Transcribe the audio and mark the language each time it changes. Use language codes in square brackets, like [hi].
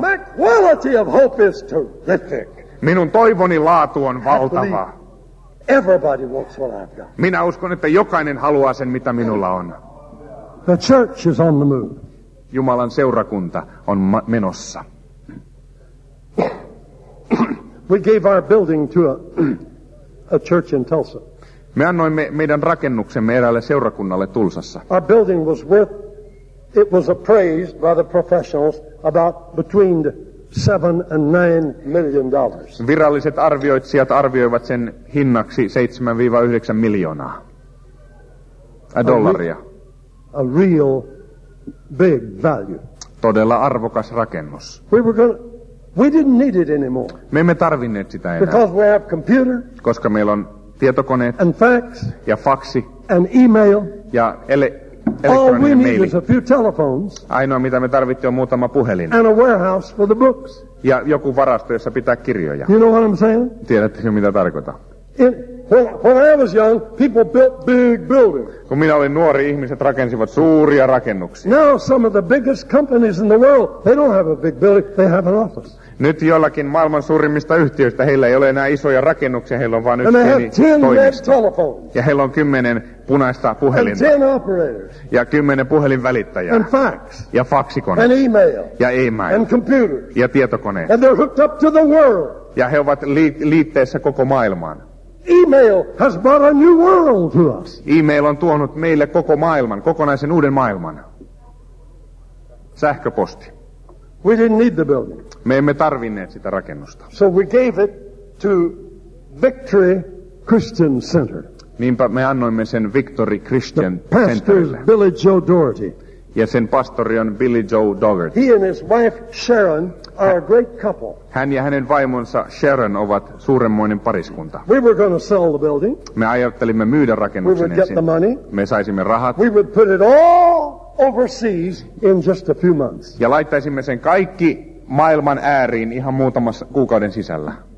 [en] My quality of hope is terrific. [fi] Minun toivoni laatu on valtava. [en] Everybody wants what I've got. [fi] Minä uskon, että jokainen haluaa sen, mitä minulla on. [en] The church is on the move. [fi] Jumalan seurakunta on menossa. [en] We gave our building to a church in Tulsa. [fi] Me annoimme meidän rakennuksemme eräälle seurakunnalle Tulsassa. [en] Our building was worth, it was appraised by the professionals about between $7 and $9 million. [fi] Viralliset arvioitsijat arvioivat sen hinnaksi 7-9 miljoonaa dollaria. [en] A real big value. [fi] Todella arvokas rakennus. [en] We didn't need it anymore. [fi] Me emme tarvinneet sitä enää. [en] Because we have computer. [fi] Koska meillä on tietokoneet. [en] And fax. [fi] Ja faksi. [en] And email. [fi] Ja elektroninen meili. [en] All we need is a few telephones. [fi] Ainoa mitä me tarvittiin on muutama puhelin. [en] And a warehouse for the books. [fi] Ja joku varasto, jossa pitää kirjoja. [en] You know what I'm saying? [fi] Tiedättekö mitä tarkoitan? [en] When I was young, people built big buildings. [fi] Kun minä olin nuori, ihmiset rakensivat suuria rakennuksia. [en] Now some of the biggest companies in the world, they don't have a big building, they have an office. [fi] Nyt jollakin maailman suurimmista yhtiöistä heillä ei ole enää isoja rakennuksia, heillä on vain yksi pieni toimisto. Ja heillä on 10 punaista puhelinta. [en] And 10 operators. [fi] Ja 10 puhelinvälittäjää. [en] And fax. [fi] Ja faksikone. [en] And email. [fi] Ja email. [en] And computers. [fi] Ja tietokoneet. [en] And they're hooked up to the world. [fi] Ja he ovat liitteessä koko maailmaan. [en] Email has brought a new world to us. [fi] Email on tuonut meille koko maailman, kokonaisen uuden maailman. Sähköposti. [en] We didn't need the building. [fi] Me emme tarvinneet sitä rakennusta. [en] So we gave it to Victory Christian Center. [fi] Niinpä me annoimme sen Victory Christian [en] Centerille. The pastor is Billy Joe Doherty. [fi] Ja sen pastori on Billy Joe Doherty. [en] He and his wife Sharon are a great couple. [fi] Hän ja hänen vaimonsa Sharon ovat suuremmoinen pariskunta. [en] We were going to sell the building. [fi] Me ajattelimme myydä rakennuksen ensin. [en] We would get the money. [fi] Me saisimme rahat. [en] We would put it all overseas in just a few months. [fi] Ja laittaisimme sen kaikki maailman ääriin ihan muutamassa kuukauden sisällä.